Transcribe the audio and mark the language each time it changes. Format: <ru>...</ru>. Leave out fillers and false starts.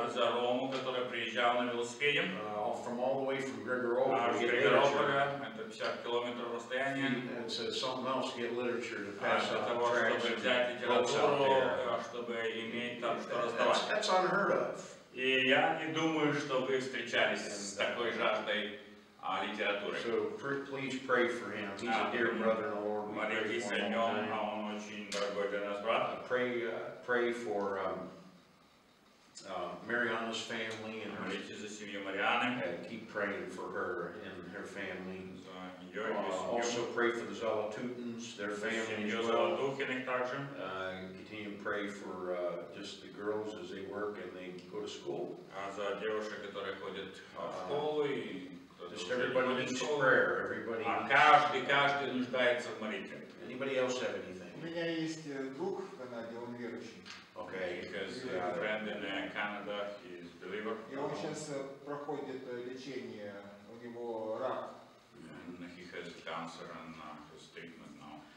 <ru>За Рому, который приезжал на велосипеде.</ru> <en>From all the way from Grigoropa.</en> <ru>А Грегорополя, это 50 километров расстояние.</ru> <en>It's something else to get literature to pass out tracts.</en> <ru>Для того, чтобы взять литературу, чтобы иметь там что раздавать.</ru> <en>That's unheard of.</en> <ru>И я не думаю, что вы встречались с такой жаждой.</ru> <en>So please pray for him. He's a dear brother in the Lord. We pray for him all the time.</en> <ru>Он очень дорогой для нас брат.</ru> <en>Pray for Mariana's family and her.</en> <ru>Молитесь за семью Марианы.</ru> <en>And keep praying for her and her family.</en> <ru>За ее семью.</ru> <en>Also pray for the Zalatutins, their family as well.</en> <ru>За семью Золотухиных также.</ru> <en>Continue to pray for just the girls as they work and they go to school.</en> <ru>А за девушек, которые ходят в школу и.</ru> <en>Just everybody needs prayer. Everybody.</en> <ru>Каждый нуждается в молитве.</ru> <en>Anybody else have anything?</en> <ru>У меня есть друг в Канаде, он верующий.</ru> <en>Okay, because a friend in Canada is a believer.</en> <ru>И он сейчас проходит лечение. У него рак.</ru> <en>And he has cancer and his treatment now.</en>